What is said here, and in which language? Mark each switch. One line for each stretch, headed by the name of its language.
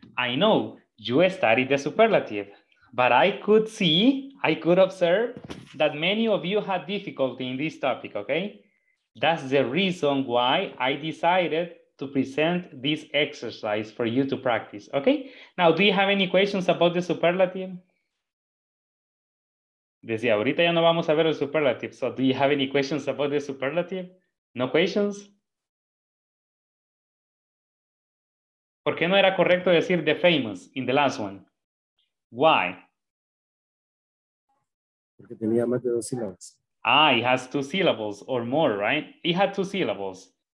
English: I know you studied the superlative, but I could observe that many of you had difficulty in this topic, okay? That's the reason why I decided to present this exercise for you to practice, okay? Now, do you have any questions about the superlative?
Spanish: Decía, ahorita ya no vamos a ver el superlative.
English: So, do you have any questions about the superlative? No questions?
Spanish: ¿Por qué no era correcto decir
English: the famous in the last one? Why?
Spanish: Porque tenía más de dos sílabas.
English: Ah, it has two syllables or more, right? It had two syllables.